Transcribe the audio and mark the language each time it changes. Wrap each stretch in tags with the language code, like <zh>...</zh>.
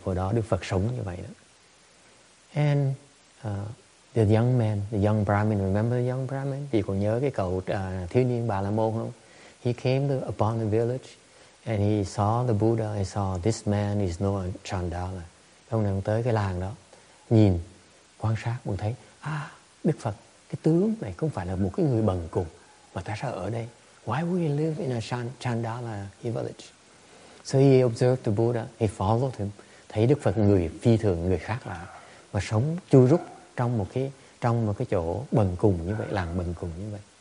<vi>For đó Đức Phật sống như vậy đó.</vi> <en>And the young Brahmin, remember the young Brahmin?</en> <vi>Chị còn nhớ cái cậu thiếu niên Bà La Môn không?</vi> <en>He came to, upon the village and he saw the Buddha. He saw this man is no Chandala.</en> <vi>Ông này tới cái làng đó, nhìn, quan sát, muốn thấy, Đức Phật, cái tướng này không phải là một cái người bần cùng, mà tại sao ở đây?</vi> <en>Why would he live in a Chandala village? So he observed the Buddha, he followed him,</en> <vi>thấy Đức Phật người phi thường, người khác lạ, mà sống chui rút trong một cái chỗ bần cùng như vậy, làng bần cùng như vậy.</vi>